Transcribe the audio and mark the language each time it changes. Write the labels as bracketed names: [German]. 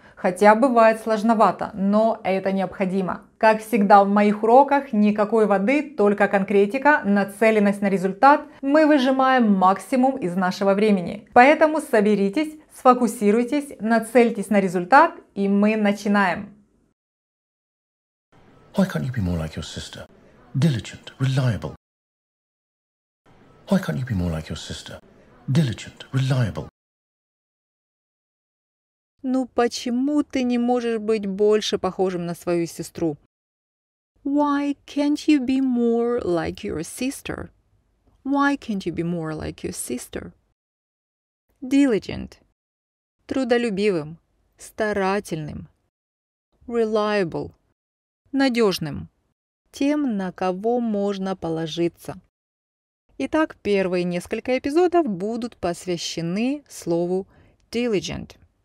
[Russian] Хотя бывает сложновато, но это необходимо. Как всегда в моих уроках, никакой воды, только конкретика, нацеленность на результат. Мы выжимаем максимум из нашего времени. Поэтому соберитесь, сфокусируйтесь, нацельтесь на результат, и мы начинаем! [English] Why can't you be more like your sister? Diligent, reliable. Why can't you be more like your sister? Diligent, reliable. [Russian] Ну почему ты не можешь быть больше похожим на свою сестру? [English] Why can't you be more like your sister? Why can't you be more like your sister? Diligent. [Russian] Трудолюбивым, старательным. [English] Reliable. [Russian] Надежным, тем, на кого можно положиться. Итак, первые несколько эпизодов будут посвящены слову diligent.